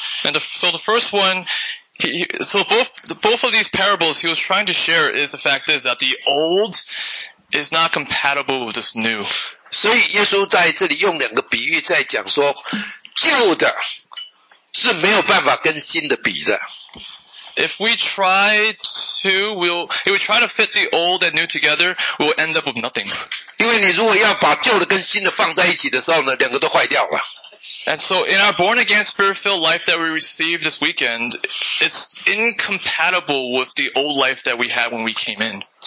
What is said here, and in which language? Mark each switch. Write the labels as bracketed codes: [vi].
[en] And so both of these parables he was trying to share is the fact is that the old is not compatible with this new. [zh] 所以耶稣在这里用两个比喻在讲说，旧的是没有办法跟新的比的。 [en] If we try to fit the old and new together, we'll end up with nothing. [zh] 因为你如果要把旧的跟新的放在一起的时候呢，两个都坏掉了。 [en] And so in our born-again spirit-filled life that we received this weekend, it's incompatible with the old life that we had when we came in.